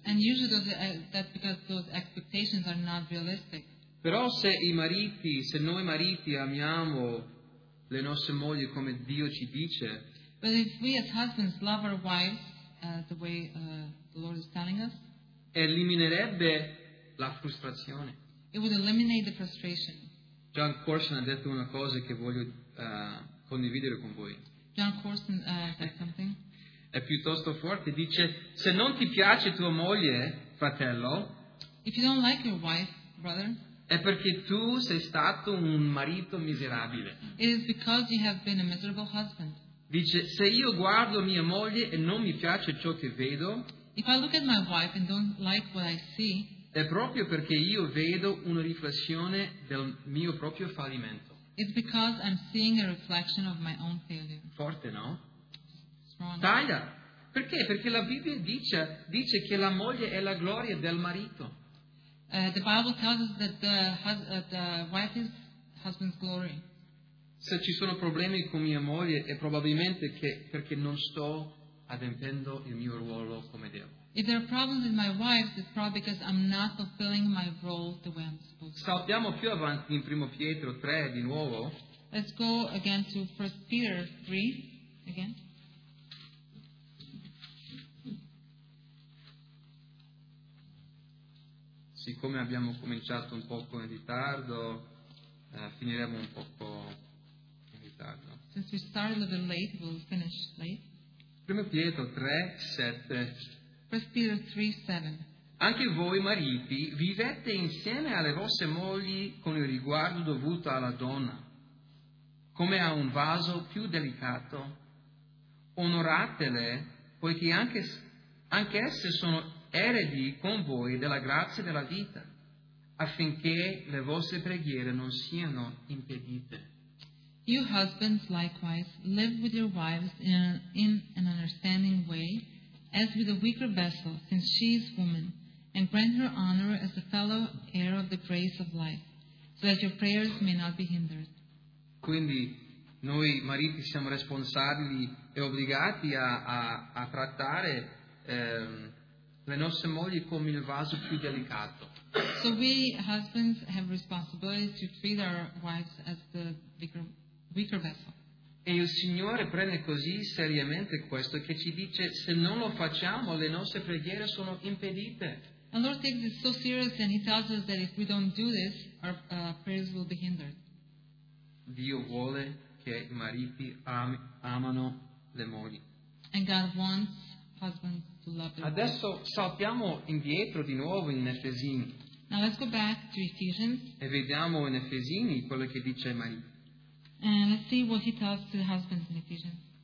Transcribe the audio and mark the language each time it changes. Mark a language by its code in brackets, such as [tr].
[en] And usually that's because those expectations are not realistic. [it] Però se i mariti, se noi mariti amiamo le nostre mogli come Dio ci dice. [en] But if we as husbands love our wives the way the Lord is telling us, [it] eliminerebbe la frustrazione. [en] It would eliminate the frustration. [it] John Corson ha detto una cosa che voglio condividere con voi. [en] John Corson said something. [it] È piuttosto forte. Dice: se non ti piace tua moglie, fratello, [en] if you don't like your wife, brother, [it] è perché tu sei stato un marito miserabile. [en] It is because you have been a miserable husband. [it] Dice: se io guardo mia moglie e non mi piace ciò che vedo, [en] if I look at my wife and don't like what I see, [it] è proprio perché io vedo una riflessione del mio proprio fallimento. [en] It's because I'm seeing a reflection of my own failure. [it] Forte, no? Taglia. Perché? Perché la Bibbia dice che la moglie è la gloria del marito. [en] The Bible tells us that the wife is husband's glory. [it] Se ci sono problemi con mia moglie è probabilmente perché non sto adempiendo il mio ruolo come devo. [en] If there are problems with my wife, it's probably because I'm not fulfilling my role the way I'm supposed to. [it] Saltiamo più avanti in 1 Pietro 3 di nuovo. [en] Let's go again to 1 Peter 3 again. [it] Siccome abbiamo cominciato un poco in ritardo, finiremo un poco in ritardo. [en] Since we started a little late, we'll finish late. [it] 1 Pietro 3, 7. [en] 1 Peter 3, 7. [it] Anche voi, mariti, vivete insieme alle vostre mogli con il riguardo dovuto alla donna, come a un vaso più delicato. Onoratele, poiché anche esse sono eredi con voi della grazia della vita, affinché le vostre preghiere non siano impedite. [en] You husbands, likewise, live with your wives in an understanding way, as with a weaker vessel, since she is woman, and grant her honor as a fellow heir of the grace of life, so that your prayers may not be hindered. [it] Quindi, noi mariti siamo responsabili e obbligati a trattare le nostre mogli come il vaso più delicato. [en] So we husbands have responsibility to treat our wives as the weaker vessel. [it] E il Signore prende così seriamente questo che ci dice: se non lo facciamo, le nostre preghiere sono impedite. [en] The Lord takes it so serious and he tells us that if we don't do this, our prayers will be hindered. [it] Dio vuole che i mariti amano le mogli. [en] And God wants husbands to love their [it] Adesso [en] wives. [it] Saltiamo indietro di nuovo in Efesini. [en] Now let's go back to Ephesians. [it] E vediamo in Efesini quello che dice ai mariti. [en] And let's see what he tells to the husbands in Ephesians.